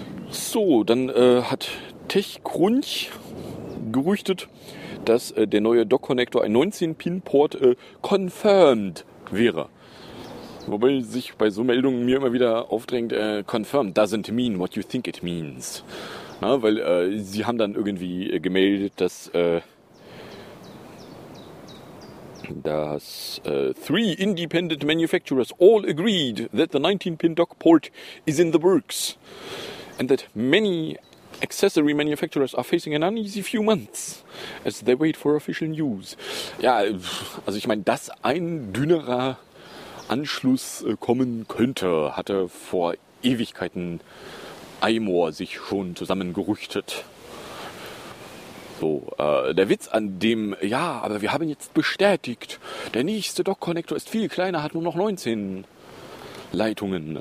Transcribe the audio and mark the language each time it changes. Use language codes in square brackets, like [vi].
[de] So, dann hat TechCrunch gerüchtet, dass der neue Dock-Connector ein 19-Pin-Port confirmed wäre. Wobei sich bei so Meldungen mir immer wieder aufdrängt, [en] confirm doesn't mean what you think it means. [de] Na, weil sie haben dann irgendwie gemeldet, dass [en] dass three independent manufacturers all agreed that the 19-pin dock port is in the works and that many accessory manufacturers are facing an uneasy few months as they wait for official news. [de] Ja, also ich meine, dass ein dünnerer Anschluss kommen könnte, hatte vor Ewigkeiten Eimor sich schon zusammengerüchtet. So, der Witz an dem, ja, aber wir haben jetzt bestätigt, der nächste Dock-Connector ist viel kleiner, hat nur noch 19 Leitungen.